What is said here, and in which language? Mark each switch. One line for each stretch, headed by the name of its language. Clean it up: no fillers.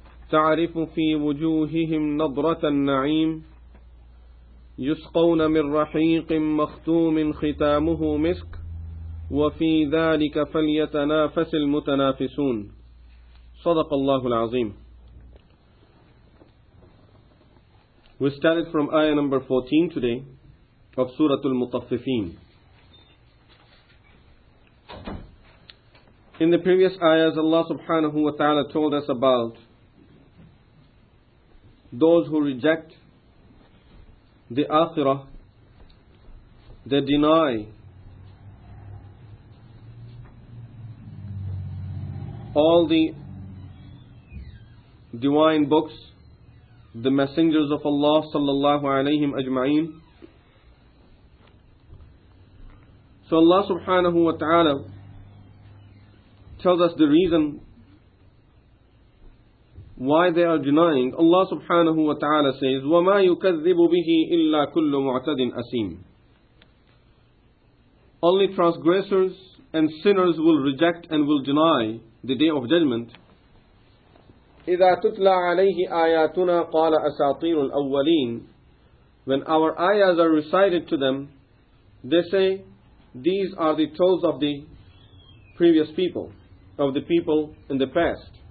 Arabic: تعرف في وجوههم نظرة النعيم. يسقون من رحيق مختوم ختامه مسك. وفي ذلك فليتنافس المتنافسون. صدق الله العظيم.
English: We started from ayah number 14 today of Surah Al-Mutaffifin. In the previous ayahs, Allah subhanahu wa ta'ala told us about those who reject the Akhirah, they deny all the divine books, the messengers of Allah sallallahu alayhim ajma'in. So Allah subhanahu wa ta'ala tells us the reason why they are denying.
Arabic: Allah subhanahu wa ta'ala
English: says,
Arabic: وَمَا يُكَذِّبُ بِهِ إِلَّا كُلُّ مُعْتَدٍ أَسِيمٍ.
English: Only transgressors and sinners will reject and will deny the Day of Judgment.
Arabic: إِذَا تُتْلَى عَلَيْهِ آيَاتُنَا قَالَ أَسَاطِيرُ الْأَوَّلِينَ.
English: When our ayahs are recited to them, they say, these are the tales of the previous people, of the people in the past.